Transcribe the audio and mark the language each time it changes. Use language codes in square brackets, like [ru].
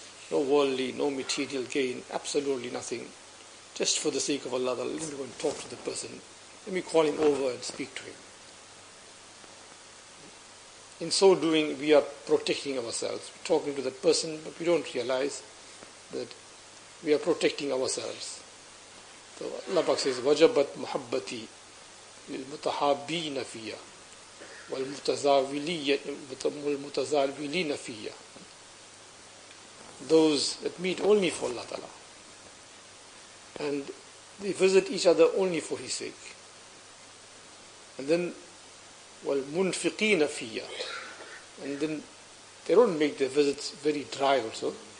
[en] No worldly, no material gain, absolutely nothing. Just for the sake of Allah, let me go and talk to the person. Let me call him over and speak to him. In so doing, we are protecting ourselves. We're talking to that person, but we don't realize that we are protecting ourselves. So Allah Pak says, [ar] وَجَبَتْ مُحَبَّتِي لِلْمُتَحَابِينَ فِيَّ وَالْمُتَزَاوِلِينَ فِيَّ. [en] Those that meet only for Allah Ta'ala. And they visit each other only for His sake. And then, [ar] وَالْمُنْفِقِينَ فِيَّ. [en] And then, they don't make their visits very dry also.